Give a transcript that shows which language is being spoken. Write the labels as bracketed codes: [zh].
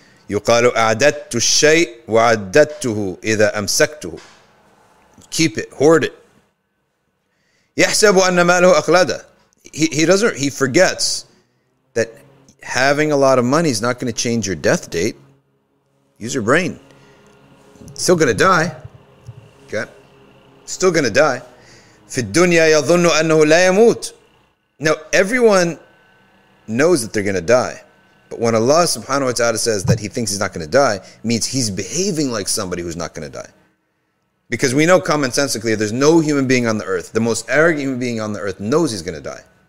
[ar] يقال أعددت الشيء وعددته إذا أمسكته. [en] Keep it, hoard it. [ar] يحسب أن ماله أخلده. [en] He forgets that having a lot of money is not going to change your death date. Use your brain. Still going to die. Okay? Still going to die. [ar] في الدنيا يظن أنه لا يموت. [en] Now, everyone knows that they're going to die. But when Allah subhanahu wa ta'ala says that he thinks he's not going to die, means he's behaving like somebody who's not going to die. Because we know commonsensically, there's no human being on the earth. The most arrogant human being on the earth knows he's going to die.